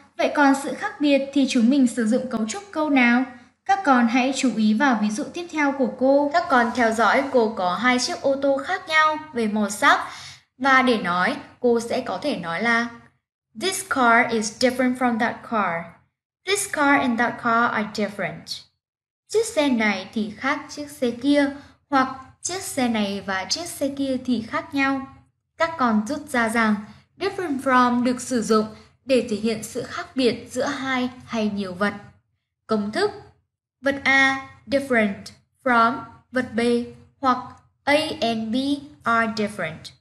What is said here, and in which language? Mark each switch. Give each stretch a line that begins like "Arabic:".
Vietnamese: Vậy còn sự khác biệt thì chúng mình sử dụng cấu trúc câu nào? Các con hãy chú ý vào ví dụ tiếp theo của cô. Các con theo dõi cô có hai chiếc ô tô khác nhau về màu sắc. Và để nói, cô sẽ có thể nói là
English: This car is different from that car. This car and that car are different.
Vietnamese: Chiếc xe này thì khác chiếc xe kia, hoặc chiếc xe này và chiếc xe kia thì khác nhau. Các con rút ra rằng
English: different from
Vietnamese: được sử dụng để thể hiện sự khác biệt giữa hai hay nhiều vật. Công thức: vật A
English: different from
Vietnamese: vật B, hoặc
English: A and B are different.